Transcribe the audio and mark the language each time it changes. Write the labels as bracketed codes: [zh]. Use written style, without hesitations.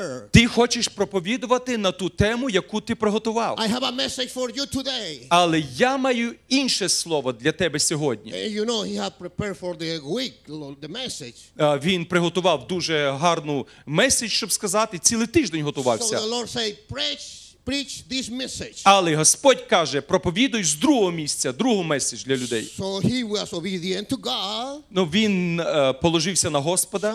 [uk] Ти хочеш проповідувати на ту тему, яку ти приготував. [en] I have a message for you today. [uk] Але я маю інше слово для тебе сьогодні. [en] You know, he had prepared for the week, the message. [uk] Він приготував дуже гарну меседж, щоб сказати, цілий тиждень готувався. [en] So the Lord said, preach this message. [uk] Але Господь каже, проповідуй з другого місця, другу меседж для людей. [en] So he was obedient to God. [uk] Ну, він положився на Господа.